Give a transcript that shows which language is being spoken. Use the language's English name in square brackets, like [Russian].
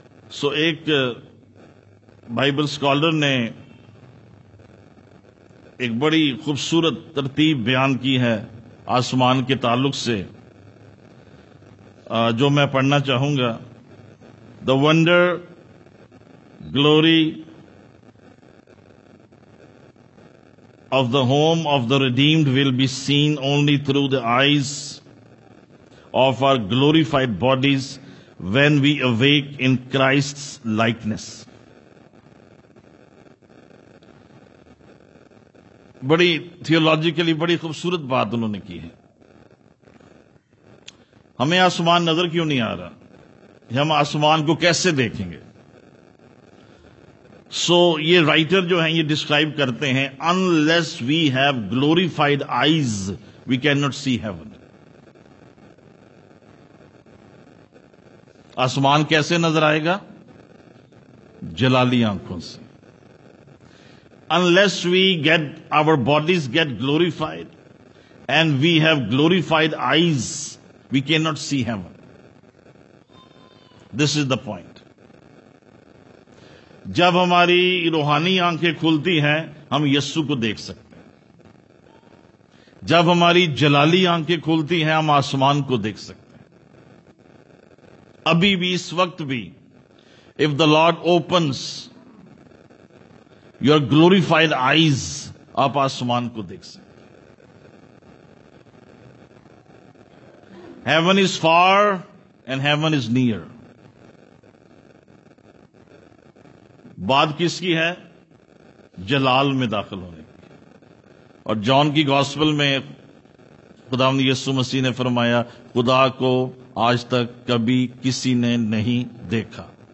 [Urdu] سو ایک Bible scholar نے ایک بڑی خوبصورت ترتیب بیان کی ہے آسمان کے تعلق سے, جو میں پڑھنا چاہوں گا. [English] The wonder glory of the home of the redeemed will be seen only through the eyes of our glorified bodies when we awake in Christ's likeness. [Urdu] بڑی تھیولوجیکلی بڑی خوبصورت بات انہوں نے کی ہے. ہمیں آسمان نظر کیوں نہیں آ رہا؟ ہم آسمان کو کیسے دیکھیں گے؟ سو یہ رائٹر جو ہیں یہ ڈسکرائب کرتے ہیں, [English] Unless we have glorified eyes we can not see heaven. [Urdu] آسمان کیسے نظر آئے گا؟ جلالی آنکھوں سے. [English] Unless we get our bodies get glorified and we have glorified eyes, we cannot see heaven. This is the point. [Urdu] جب ہماری روحانی آنکھیں کھلتی ہیں ہم یسوع کو دیکھ سکتے ہیں, جب ہماری جلالی آنکھیں کھلتی ہیں ہم آسمان کو دیکھ سکتے ہیں. ابھی بھی اس وقت بھی, [English] if the Lord opens your glorified eyes, [Urdu] آپ آسمان کو دیکھ سکیں. [English] Heaven is far and heaven is near. [Urdu] بات کس کی ہے؟ جلال میں داخل ہونے کی. اور جان کی گاسپل میں خداوند یسوع مسیح نے فرمایا خدا کو آج تک کبھی کسی نے نہیں دیکھا.